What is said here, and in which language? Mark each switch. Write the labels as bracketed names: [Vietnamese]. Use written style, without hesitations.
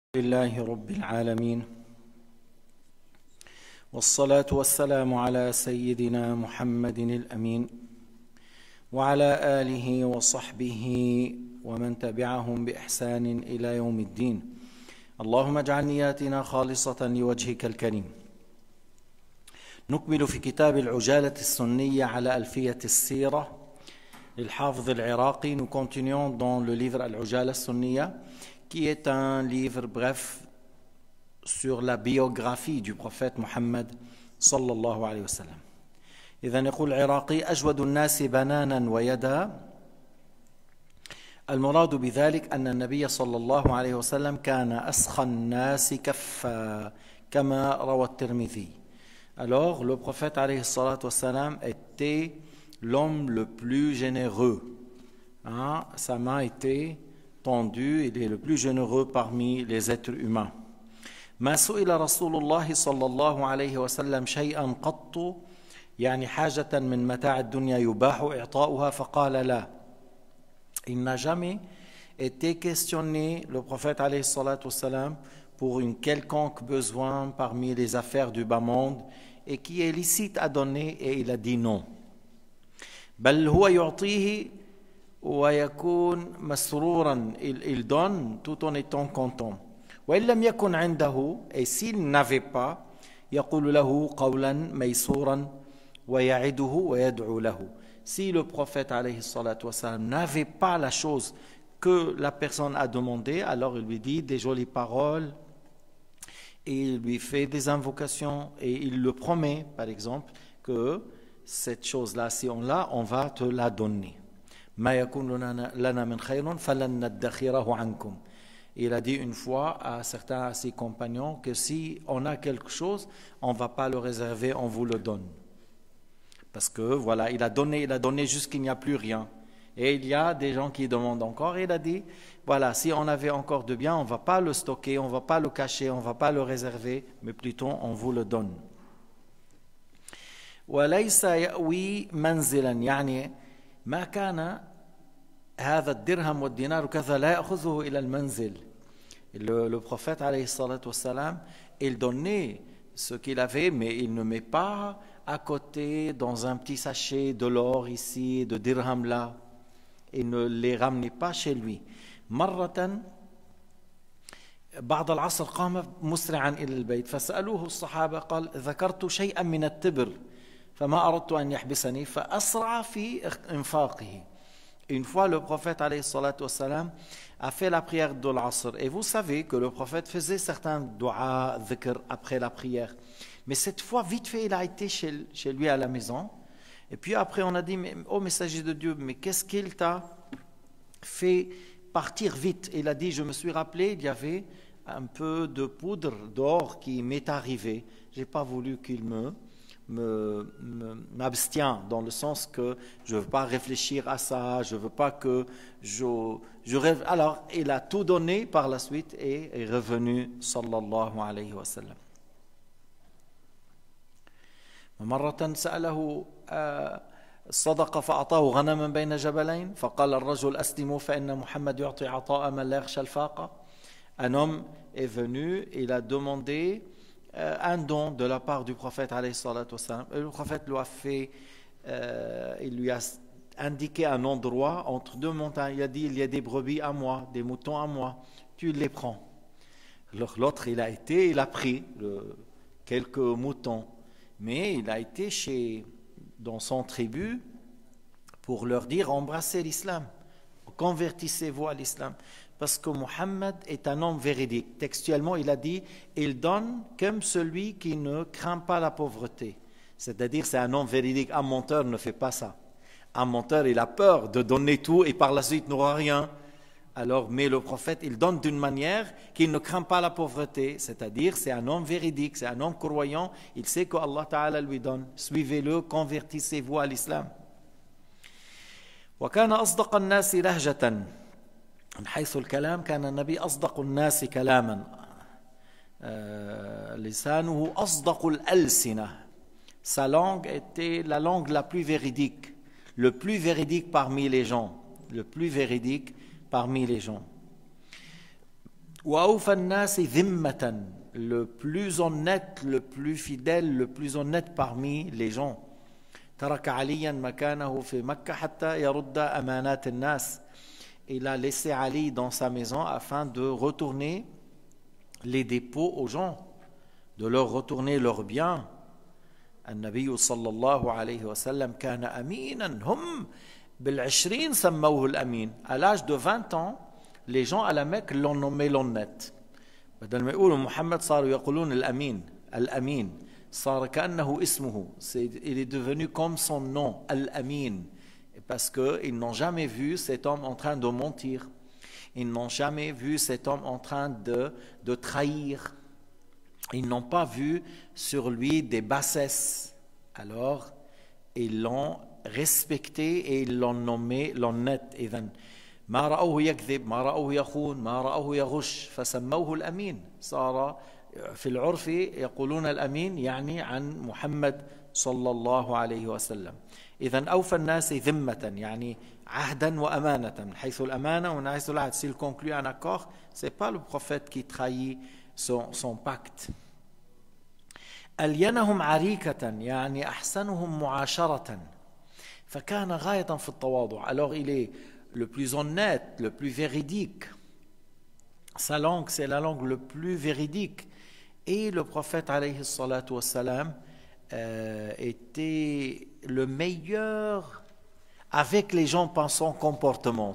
[Arabic] لله رب العالمين والصلاة والسلام على سيدنا محمد الأمين وعلى آله وصحبه ومن تبعهم بإحسان إلى يوم الدين. اللهم اجعل نياتنا خالصة لوجهك الكريم. نكمل في كتاب العجالة السنية على ألفية السيرة للحافظ العراقي. [French] Nous continuons dans le livre العجالة السنية, qui est un livre bref sur la biographie du prophète Mohammed sallallahu alayhi wa sallam. [Arabic] إذن يقول العراقي أجود الناس بنانا ويدا. المراد بذلك أن النبي صلى الله عليه وسلم كان أسخى الناس كفا كما روى الترمذي. [French] Alors le prophète عليه الصلاة والسلام était l'homme le plus généreux, sa main était tendu, il est le plus généreux parmi les êtres humains. [Arabic] ما سئل رسول الله صلى الله عليه وسلم شيئا قط يعني حاجة من متاع الدنيا يباح إعطاؤها فقال لا. [French] Il n'a jamais été questionné, le prophète عليه الصلاة والسلام, pour une quelconque besoin parmi les affaires du bas monde et qui est licite à donner, et il a dit non. [Arabic] بل هو يعطيه ويكون مسرورا, [French] il donne tout en étant content. [Arabic] وإن لم يكن عنده, [French] et s'il n'avait pas, [Arabic] يقول له قولا ميسورا ويعده ويدعو له. [French] Si le prophète عليه الصلاة والسلام n'avait pas la chose que la personne a demandé, alors il lui dit des jolies paroles et il lui fait des invocations et il le promet, par exemple, que cette chose-là, si on l'a, on va te la donner. [Arabic] ما يكون لنا من خير فلن ندخره عنكم. [French] Il a dit une fois à certains de ses compagnons que si on a quelque chose, on ne va pas le réserver, on vous le donne. Parce que voilà, il a donné jusqu'il n'y a plus rien. Et il y a des gens qui demandent encore. Il a dit, voilà, si on avait encore de bien, on ne va pas le stocker, on ne va pas le cacher, on ne va pas le réserver, mais plutôt on vous le donne. [Arabic] وليس يأوي منزلا يعني ما كان هذا الدرهم والدينار وكذا لا يأخذه إلى المنزل. [French] Le prophète عليه الصلاة والسلام, il donnait ce qu'il avait, mais il ne met pas à côté dans un petit sachet de l'or ici, de dirham là. Il ne les ramenait pas chez lui. [Arabic] مرة بعد العصر قام مسرعا إلى البيت فسألوه الصحابة قال ذكرت شيئا من التبر فما أردت أن يحبسني فأسرع في إنفاقه. [French] Une fois le prophète عليه الصلاة والسلام a fait la prière de l'Asr. Et vous savez que le prophète faisait certains dua, dhikr après la prière. Mais cette fois, vite fait, il a été chez lui à la maison. Et puis après, on a dit, oh messager de Dieu, mais qu'est-ce qu'il t'a fait partir vite? Il a dit, je me suis rappelé, il y avait un peu de poudre d'or qui m'est arrivé. Je n'ai pas voulu qu'il m'abstient dans le sens que je ne veux pas réfléchir à ça, je ne veux pas que je rêve. Alors il a tout donné par la suite et est revenu sallallahu alayhi wa sallam. [Arabic] مرة سأله صدق فأعطاه غنما بين جبلين فقال الرجل أسلموا فإن محمد يعطي عطاء من لا يخشى الفاقة. [French] Un homme est venu, il a demandé un don de la part du prophète alayhi salat wa salam. Le prophète lui a fait, il lui a indiqué un endroit entre deux montagnes. Il a dit, il y a des brebis à moi, des moutons à moi, tu les prends. Alors l'autre, il a été, il a pris quelques moutons, mais il a été dans son tribu pour leur dire, embrassez l'islam, convertissez-vous à l'islam. Parce que Mohammed est un homme véridique. Textuellement, il a dit, il donne comme celui qui ne craint pas la pauvreté. C'est-à-dire, c'est un homme véridique. Un menteur ne fait pas ça. Un menteur, il a peur de donner tout et par la suite n'aura rien. Alors, mais le prophète, il donne d'une manière qu'il ne craint pas la pauvreté. C'est-à-dire, c'est un homme véridique, c'est un homme croyant. Il sait que Allah Ta'ala lui donne. Suivez-le, convertissez-vous à l'islam. [Arabic] وَكَانَ أَصْدَقَ النَّاسِ لَهْجَةً. من حيث الكلام كان النبي أصدق الناس كلاما لسانه أصدق الألسنة. [French] Sa langue était la langue la plus véridique, le plus véridique parmi les gens, le plus véridique parmi les gens. [Arabic] وأوفى الناس ذمة. [French] Le plus honnête, le plus fidèle, le plus honnête parmi les gens. [Arabic] ترك عليا مكانه في مكة حتى يرد أمانات الناس. [French] Il a laissé Ali dans sa maison afin de retourner les dépôts aux gens, de leur retourner leurs biens. [Arabic] النبي صلى الله عليه وسلم كان أمينا. هم بالعشرين سموه الأمين. [French] À l'âge de 20 ans, les gens à la Mecque l'ont nommé l'honnête. [Arabic] بدل ما يقولوا محمد صاروا يقولون الأمين. الأمين صار كأنه اسمه. [French] Il est devenu comme son nom, الأمين. Parce qu'ils n'ont jamais vu cet homme en train de mentir. Ils n'ont jamais vu cet homme en train de trahir. Ils n'ont pas vu sur lui des bassesses. Alors, ils l'ont respecté et ils l'ont nommé l'honnête. [Arabic] ما رأوه يكذب ما رأوه يخون ما رأوه يغش فسموه الأمين صار في العرف يقولون الأمين يعني عن محمد صلى الله عليه وسلم. إذن أوفى الناس ذمة يعني عهدا وأمانة من حيث الأمانة ومن حيث العهد. [French] S'il conclut un accord, c'est pas le prophète qui trahit son pacte. [Arabic] ألينهم عريكة يعني أحسنهم معاشرة فكان غاية في التواضع. [French] Alors il est le plus honnête, le plus véridique. Sa langue, c'est la langue le plus véridique. Et le prophète, alayhi salatu wassalam, était le meilleur avec les gens par son comportement.